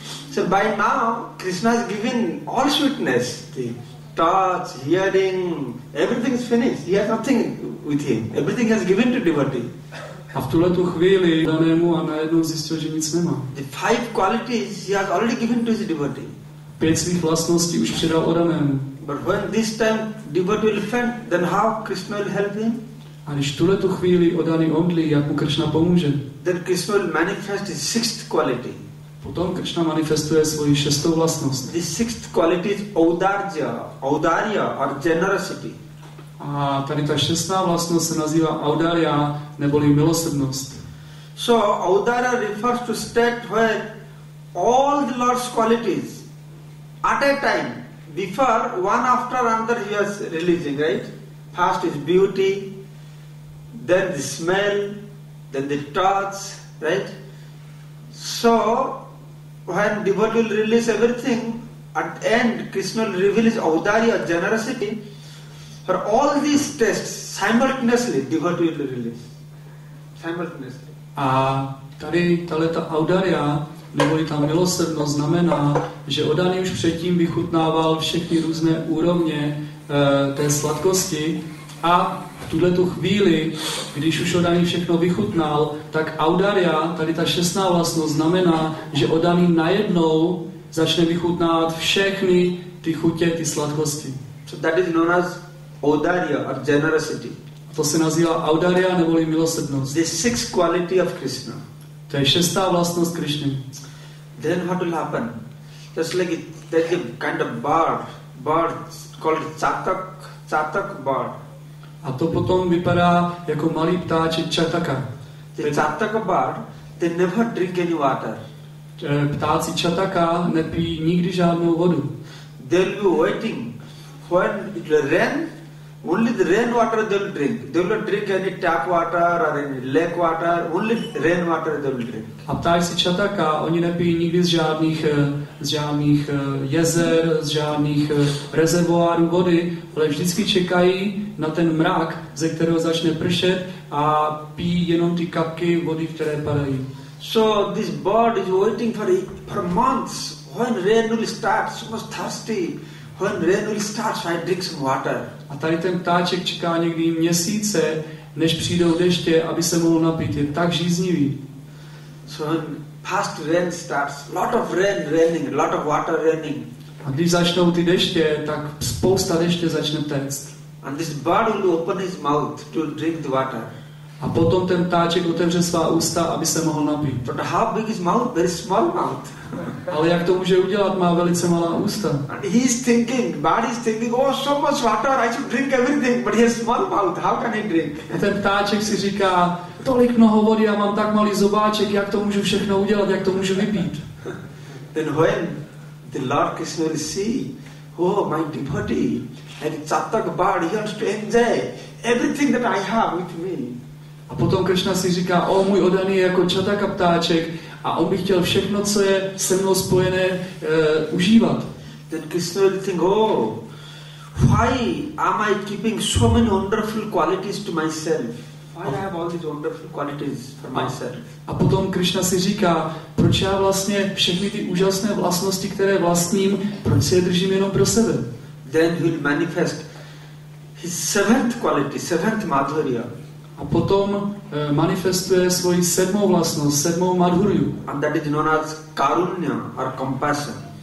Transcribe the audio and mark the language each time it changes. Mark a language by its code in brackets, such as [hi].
[en] So by now Krishna has given all sweetness, the touch, hearing, everything is finished. He has nothing with him. Everything has given to devotee. [cs] A v tuhle tu chvíli danému a najednou zjistil, že nic nemá. [en] The five qualities he has already given to his devotee. [cs] Pět svých vlastností už předal oddanému. [en] But when this time devotee will faint, then how Krishna will help him? [cs] A když v tuhle tu chvíli oddaný omdlí, jak mu Krishna pomůže? [en] Then Krishna will manifest his sixth quality. [cs] Potom Krishna manifestuje svoji šestou vlastnost. [en] The sixth quality is audarya, audarya or generosity. [cs] A tady ta šestá vlastnost se nazývá audarya, neboli milosrdnost. [en] So audarya refers to state where all the Lord's qualities at a time, before, one after another he was releasing, right? First is beauty, then the smell, then the touch, right? So when devotee will release everything, at the end Krishna will reveal his audarya, generosity. For all these tests, simultaneously, devotee will release. Simultaneously. [cs] A tady tato audarya, neboli ta milosrdnost, znamená, že oddaný už předtím vychutnával všechny různé úrovně té sladkosti A v tuhle tu chvíli, když už Odaný všechno vychutnal, tak audaria, tady ta šestná vlastnost, znamená, že Odaný najednou začne vychutnávat všechny ty chutě, ty sladkosti. [en] So that is known as audaria or generosity. [cs] To se nazývá audaria neboli milosrdnost. [en] The sixth quality of Krishna. [cs] To je šestá vlastnost Krishny. [en] Then what will happen? Just like it, there's a kind of bird called chatak bird. [cs] A to potom vypadá jako malý ptáček chataka. [en] The chataka bird, they never drink any water. [cs] Ptáci chataka nepijí nikdy žádnou vodu. [en] They'll be waiting when it will rain. Only the rain water they'll drink. They will not drink any tap water or any lake water. Only rain water they'll drink. [cs] A ptáci chataka, oni nepijí nikdy z žádných jezer, z žádných rezervoárů vody, ale vždycky čekají na ten mrak, ze kterého začne pršet a pijí jenom ty kapky vody, které padají. [en] So this bird is waiting for months when rain will start. So much thirsty. When rain will start, so I drink some water. [cs] A tady ten ptáček čeká někdy měsíce, než přijdou deště, aby se mohl napít. Je tak žíznivý. [en] So when past rain starts, lot of rain raining, lot of water raining. [cs] A když začnou ty deště, tak spousta deště začne téct. [en] And this bird will open his mouth to drink the water. [cs] A potom ten ptáček otevře svá ústa, aby se mohl napít. [en] But how big is mouth? Very small mouth. [cs] Ale jak to může udělat? Má velice malá ústa. [en] And he's thinking, bird is thinking, oh, so much water, I should drink everything, but he has small mouth, how can he drink? [cs] A ten ptáček si říká, tolik mnoho vody, já mám tak malý zobáček, jak to můžu všechno udělat, jak to můžu vypít? [en] Then when the Lord Krishna will see, oh, my devotee, and chatak bird, he wants to enjoy everything that I have with me. [cs] A potom Krishna si říká, o, můj Odaný je jako chataka ptáček a on by chtěl všechno, co je se mnou spojené, užívat. [en] Then Krishna will think, oh, why am I keeping so many wonderful qualities to myself? Why I have all these wonderful qualities for myself? [cs] A potom Krishna si říká, proč já vlastně všechny ty úžasné vlastnosti, které vlastním, proč si je držím jenom pro sebe? [en] Then he will manifest his seventh quality, seventh madhurya. [cs] A potom manifestuje svoji sedmou vlastnost, sedmou madhurju. [en] And that is known as karunya or compassion.